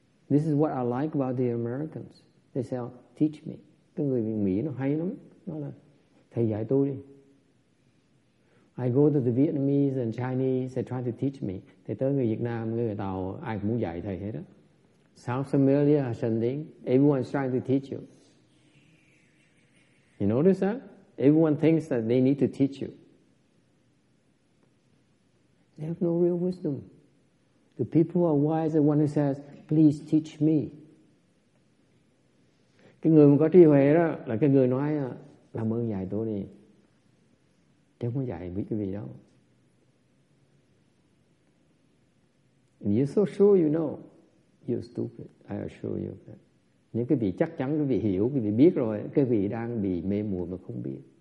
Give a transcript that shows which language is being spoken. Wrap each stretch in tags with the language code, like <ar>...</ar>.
<en>This is what I like about the Americans. They say, "Teach me."</en> <vi>Cái người miền Mỹ nó hay lắm, nó là thầy dạy tôi đi.</vi> <en>I go to the Vietnamese and Chinese, they try to teach me.</en> <vi>Thì tới người Việt Nam, người Tàu, ai cũng muốn dạy thầy hết á.</vi> <en>Sounds familiar, Shandin. Everyone's trying to teach you. You notice that? Everyone thinks that they need to teach you. They have no real wisdom. The people who are wise are the one who says, please teach me.</en> <vi>Cái người mà có trí huệ đó là cái người nói, làm ơn dạy tôi đi. Chứ không dạy biết cái gì đâu.</vi> <en>And you're so sure you know. You're stupid, I assure you that.</en> <vi>Nếu quý vị chắc chắn, quý vị hiểu, quý vị biết rồi, quý vị đang bị mê muội mà không biết.</vi>